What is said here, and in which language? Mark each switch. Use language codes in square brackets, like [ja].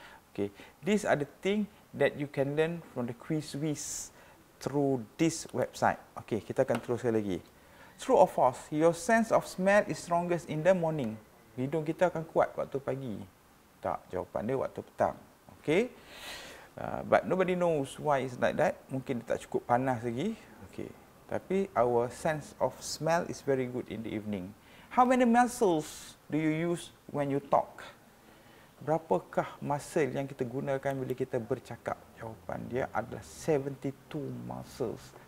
[en] Okay, these are the thing that you can learn from the quiz through this website. Okay, [ms] kita akan teruskan lagi. [en] True or false, your sense of smell is strongest in the morning. [ms] Hidung kita akan kuat waktu pagi. Tak, jawapan dia waktu petang. [en] Okay, but nobody knows why it's like that. [ms] Mungkin dia tak cukup panas lagi. [en] Okay, [ms] Tapi [en] our sense of smell is very good in the evening. How many muscles do you use when you talk? [ms] Berapakah muscle yang kita gunakan bila kita bercakap? Jawapan dia adalah 72 muscles.